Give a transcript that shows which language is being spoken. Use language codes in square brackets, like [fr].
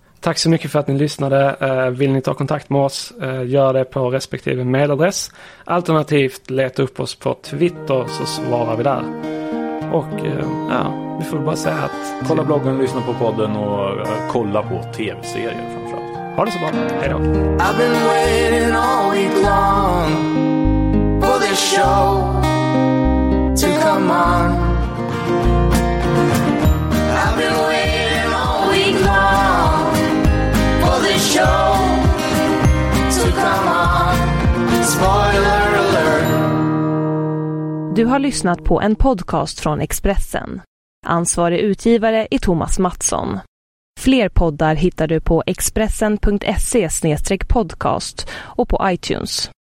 [sv] Tack så mycket för att ni lyssnade. Vill ni ta kontakt med oss, gör det på respektive mailadress. Alternativt leta upp oss på Twitter, så svarar vi där. Och ja, vi får bara säga att kolla bloggen, lyssna på podden och kolla på tv-serier framförallt. Ha det så bra, hej då. [en] I've been waiting all week long for this show to come on. I've been waiting all week long for this show to come on. Spoiler alert. [sv] Du har lyssnat på en podcast från Expressen. Ansvarig utgivare är Thomas Mattsson. Fler poddar hittar du på expressen.se/podcast och på iTunes.